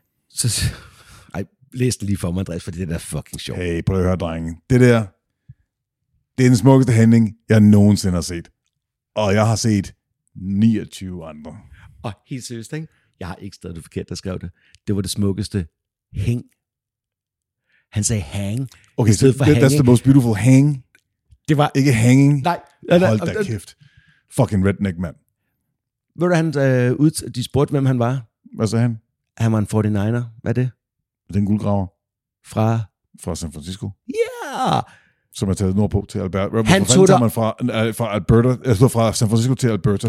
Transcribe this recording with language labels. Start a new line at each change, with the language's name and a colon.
Danish: Så, ej, læs den lige for mig, Andreas, for det der er fucking sjovt. Hey, prøv at høre, drenge. Det der, det er den smukkeste handling, jeg nogensinde har set. Og jeg har set 29 andre. Og helt seriøst, ikke? Jeg har ikke stadig forkert, der skrev det. Det var det smukkeste hæng. Han sagde hang. Okay, så
English: that's the most beautiful hang.
Danish: Det var... Ikke hanging. Nej. Hold da kæft. Fucking redneck, man. Ved du, han de spurgte, hvem han var? Hvad sagde han? Han var en 49'er. Hvad er det? Det er en guldgraver. Fra? Fra San Francisco. Ja! Yeah! Som er taget nordpå til Alberta. Hvorfor han tog tager man fra San Francisco til Alberta?